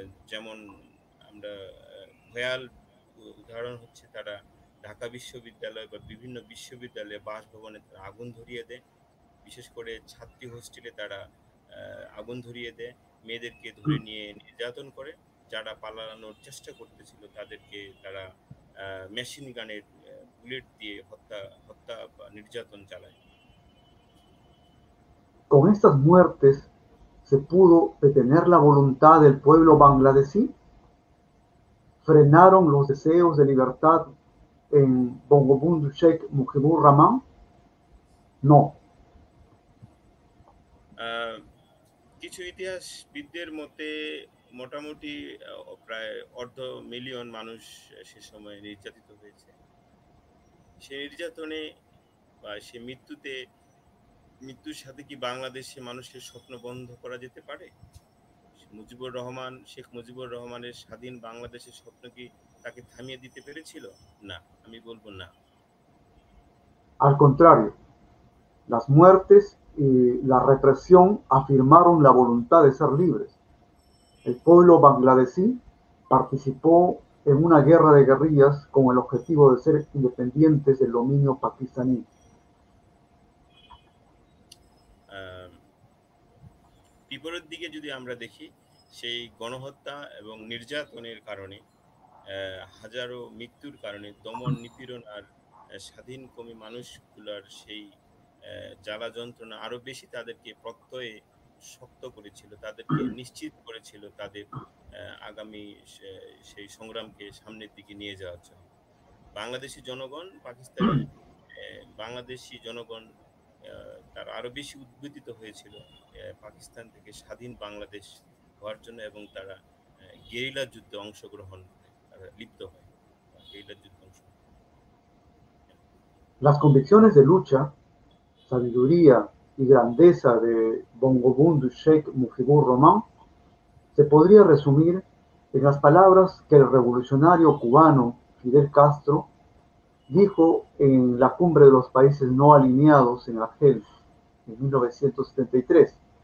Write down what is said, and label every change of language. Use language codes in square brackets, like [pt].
[bn] যেমন আমরা ভয়াল উদাহরণ হচ্ছে তারা ঢাকা বিশ্ববিদ্যালয় বা বিভিন্ন বিশ্ববিদ্যালয়ে বাসভবনে তারা আগুন ধরিয়ে দেয়, বিশেষ করে ছাত্রী হোস্টেলে তারা আগুন ধরিয়ে দেয়, মেয়েদেরকে ধরে নিয়ে নির্যাতন করে, যারা পালানোর চেষ্টা করতেছিল তাদেরকে তারা মেশিন গানের বুলেট দিয়ে হত্যা হত্যা বা নির্যাতন চালায়। [es] ¿Con estas muertes se pudo detener la voluntad del pueblo bangladesí? ¿Frenaron los deseos de libertad en Bongobundu Sheikh Mujibur Rahman? No. [bn] কিছু ইতিহাসবিদদের মতে মোটামুটি প্রায় অর্ধ মিলিয়ন মানুষ সে সময় নির্যাতিত হয়েছে। সে নির্যাতনে বা সে মৃত্যুতে মৃত্যুর সাথে কি বাংলাদেশে মানুষের স্বপ্ন বন্ধ করা যেতে পারে? মুজিবুর রহমান, শেখ মুজিবুর রহমানের স্বাধীন বাংলাদেশের স্বপ্ন কি তাকে থামিয়ে দিতে পেরেছিল? না, আমি বলবো না। [es] Al contrario, las muertes y la represión afirmaron la voluntad de ser libres. El pueblo bangladesí participó en una guerra de guerrillas con el objetivo de ser independientes del dominio pakistaní. [bn] বিপরীত দিকে যদি আমরা দেখি, সেই গণহত্যা এবং নির্যাতনের কারণে হাজারো মৃত্যুর কারণে দমন নিপীড়ন আর স্বাধীনকামী মানুষগুলোর সেই জ্বালা যন্ত্রণা আরো বেশি তাদেরকে প্রত্যয়ে শক্ত করেছিল, তাদেরকে নিশ্চিত করেছিল তাদের আগামী সেই সংগ্রামকে সামনের দিকে নিয়ে যাওয়ার জন্য। বাংলাদেশি জনগণ, পাকিস্তানের বাংলাদেশি জনগণ তারা আরো বেশি উদ্বুদ্ধিত হয়েছিল পাকিস্তান থেকে স্বাধীন বাংলাদেশ হওয়ার জন্য, এবং তারা গেরিলা যুদ্ধে অংশগ্রহণ লিপ্ত হয়। গেরিলা যুদ্ধে অংশগ্রহণ [es] Las convicciones de lucha, sabiduría y grandeza de Bongobundu Sheikh Mujibur Rahman se podría resumir en las palabras que el revolucionario cubano Fidel Castro dijo en la cumbre de los países no alineados en Argel en 1973.